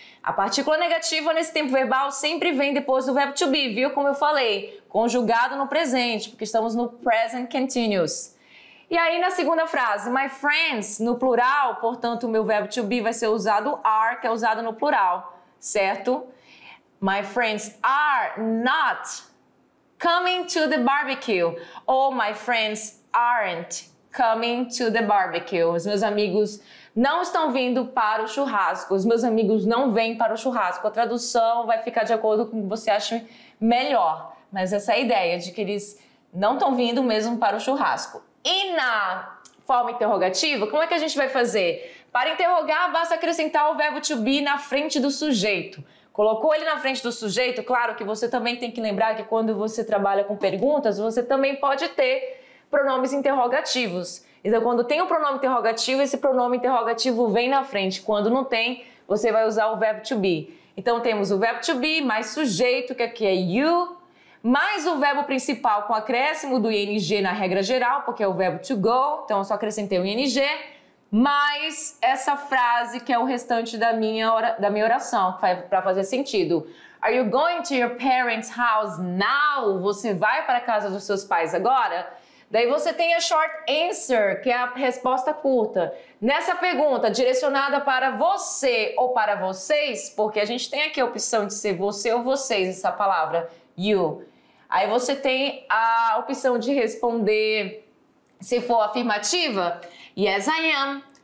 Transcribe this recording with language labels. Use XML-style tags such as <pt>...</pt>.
<pt>A partícula negativa nesse tempo verbal sempre vem depois do verbo to be, viu? Como eu falei, conjugado no presente, porque estamos no present continuous. E aí na segunda frase,</pt> <en>my friends,</en> <pt>no plural, portanto o meu verbo to be vai ser usado are, que é usado no plural, certo?</pt> <en>My friends are not coming to the barbecue. Ou my friends aren't coming to the barbecue.</en> <pt>Os meus amigos não estão vindo para o churrasco. Os meus amigos não vêm para o churrasco. A tradução vai ficar de acordo com o que você acha melhor. Mas essa é a ideia de que eles não estão vindo mesmo para o churrasco. E na forma interrogativa, como é que a gente vai fazer? Para interrogar, basta acrescentar o verbo to be na frente do sujeito. Colocou ele na frente do sujeito, claro que você também tem que lembrar que quando você trabalha com perguntas, você também pode ter pronomes interrogativos. Então, quando tem um pronome interrogativo, esse pronome interrogativo vem na frente. Quando não tem, você vai usar o verbo to be. Então, temos o verbo to be mais sujeito, que aqui é you, mais o verbo principal com acréscimo do ing na regra geral, porque é o verbo to go, então eu só acrescentei o ing, mais essa frase que é o restante da minha oração, para fazer sentido.</pt> <en>Are you going to your parents' house now?</en> <pt>Você vai para a casa dos seus pais agora? Daí você tem a short answer, que é a resposta curta. Nessa pergunta, direcionada para você ou para vocês, porque a gente tem aqui a opção de ser você ou vocês, essa palavra, you. Aí você tem a opção de responder, se for afirmativa,</pt> <en>yes, I am.</en>